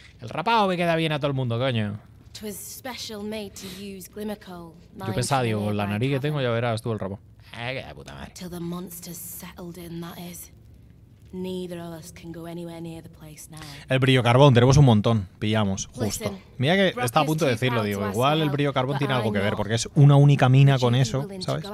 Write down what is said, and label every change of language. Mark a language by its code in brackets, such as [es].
[es] El rapado me queda bien a todo el mundo, coño. Yo pensaba, digo, la nariz que tengo ya verás tú el rapado. Qué puta madre. [en] Till the monster settled in, that is. Neither of us can go anywhere near the place now. [es] El brillo carbón, tenemos un montón. Pillamos, justo. Mira que está a punto de decirlo, digo. Igual el brillo carbón tiene algo que ver, porque es una única mina con eso, ¿sabes?